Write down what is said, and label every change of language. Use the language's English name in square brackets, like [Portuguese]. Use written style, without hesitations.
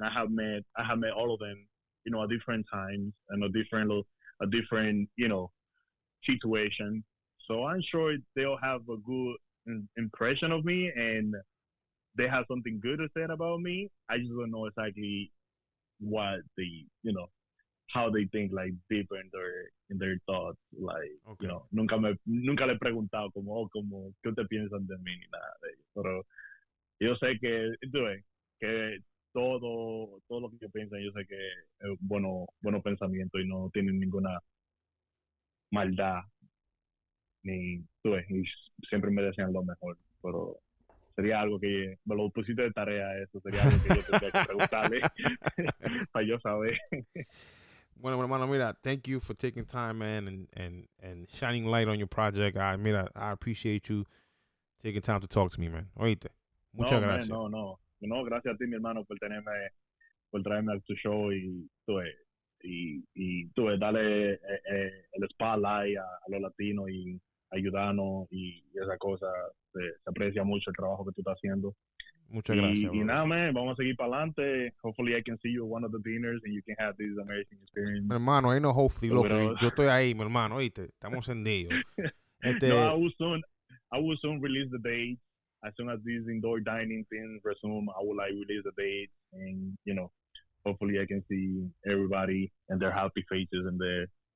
[English] I have met all of them, at different times and a different, situation. So I'm sure they'll have a good impression of me and they have something good to say about me. I just don't know exactly what they, how they think, like deep in their thoughts, like, okay. [Spanish] Nunca le he preguntado como qué te piensan de mí ni nada de ellos. Pero yo sé que todo lo que yo pienso, yo sé que es bueno pensamiento y no tienen ninguna maldad ni y siempre me desean lo mejor, pero sería algo que me lo pusiste de tarea, eso sería algo que yo tendría que preguntarle para yo saber. Bueno, hermano, mira, [English] thank you for taking time, man, and shining light on your project. I appreciate you taking time to talk to me, man. [Spanish] Oíste. Muchas gracias. No, gracias a ti, mi hermano, por traerme a tu show y tú, dale el spotlight a los latinos y ayudarnos y esa cosa. Se aprecia mucho el trabajo que tú estás haciendo. Muchas gracias. Y nada, man, vamos a seguir para adelante. [English] Hopefully I can see you at one of the dinners and you can have this amazing experience. [Spanish] Hermano, [English] ain't no hopefully, [Spanish] loco. Yo estoy ahí, mi hermano, oíste. Estamos en Dios. [English] No, I will soon. I will soon release the date. As soon as these indoor dining things resume, I will like release the date, and you know, hopefully I can see everybody and their happy faces in there.